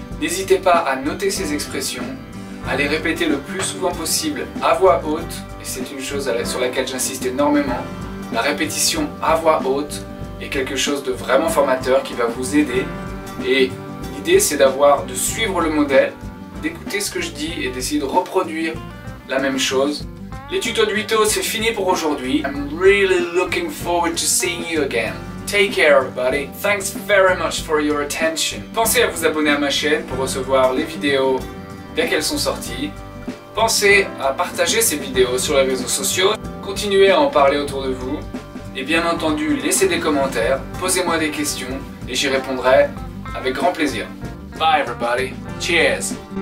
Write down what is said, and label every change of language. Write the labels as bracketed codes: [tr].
[fr] N'hésitez pas à noter ces expressions. Allez répéter le plus souvent possible à voix haute, et c'est une chose sur laquelle j'insiste énormément, la répétition à voix haute est quelque chose de vraiment formateur qui va vous aider. Et l'idée c'est d'avoir, de suivre le modèle, d'écouter ce que je dis et d'essayer de reproduire la même chose. Les tutos de 8 os, c'est fini pour aujourd'hui. [en] I'm really looking forward to seeing you again. Take care everybody, thanks very much for your attention. [fr] Pensez à vous abonner à ma chaîne pour recevoir les vidéos dès qu'elles sont sorties. Pensez à partager ces vidéos sur les réseaux sociaux. Continuez à en parler autour de vous. Et bien entendu, laissez des commentaires. Posez-moi des questions et j'y répondrai avec grand plaisir. [en] Bye everybody. Cheers.